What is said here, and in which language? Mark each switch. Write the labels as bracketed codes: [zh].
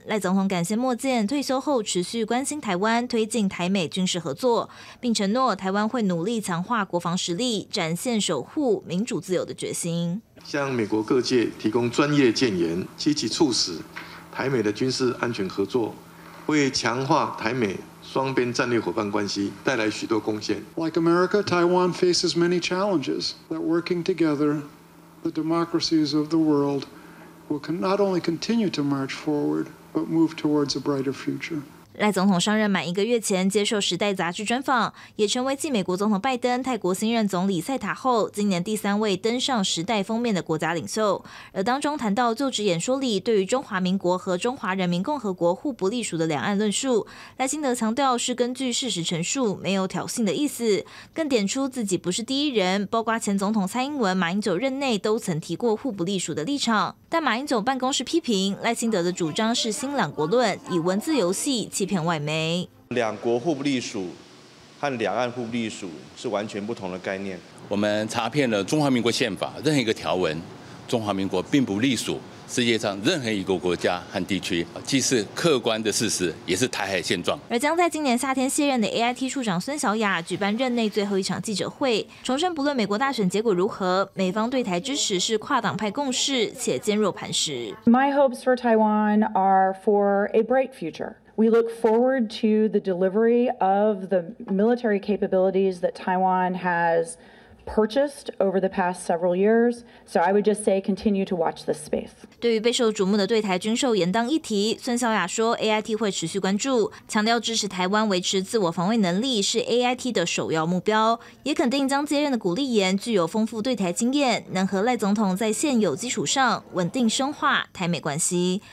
[zh] 赖总统感谢莫健退休后持续关心台湾，推进台美军事合作，并承诺台湾会努力强化国防实力，展现守护民主自由的决心。向美国各界提供专业建言，积极促使台美的军事安全合作，为强化台美双边战略伙伴关系带来许多贡献。 [en] Like America, Taiwan faces many challenges. That working together, the democracies of the world will not only continue to march forward, but move towards a brighter future. [zh] 赖总统上任满一个月前接受《时代》杂志专访，也成为继美国总统拜登、泰国新任总理赛塔后，今年第3位登上《时代》封面的国家领袖。而当中谈到就职演说里对于中华民国和中华人民共和国互不隶属的两岸论述，赖清德强调是根据事实陈述，没有挑衅的意思，更点出自己不是第一人，包括前总统蔡英文、马英九任内都曾提过互不隶属的立场，但马英九办公室批评赖清德的主张是新两国论，以文字游戏欺骗外媒。两国互不隶属和两岸互不隶属是完全不同的概念。我们查遍了中华民国宪法任何一个条文，中华民国并不隶属世界上任何一个国家和地区，既是客观的事实，也是台海现状。而将在今年夏天卸任的 AIT 处长孙小雅举办任内最后一场记者会，重申不论美国大选结果如何，美方对台支持是跨党派共识且坚若磐石。 [en] My hopes for Taiwan are for a bright future. We look forward to the delivery of the military capabilities that Taiwan has purchased over the past several years. So I would just say continue to watch this space. [zh] 对于备受瞩目的对台军售延宕议题，孙小雅说 AIT 会持续关注，强调支持台湾维持自我防卫能力是 AIT 的首要目标，也肯定将接任的古立言具有丰富对台经验，能和赖总统在现有基础上稳定深化台美关系。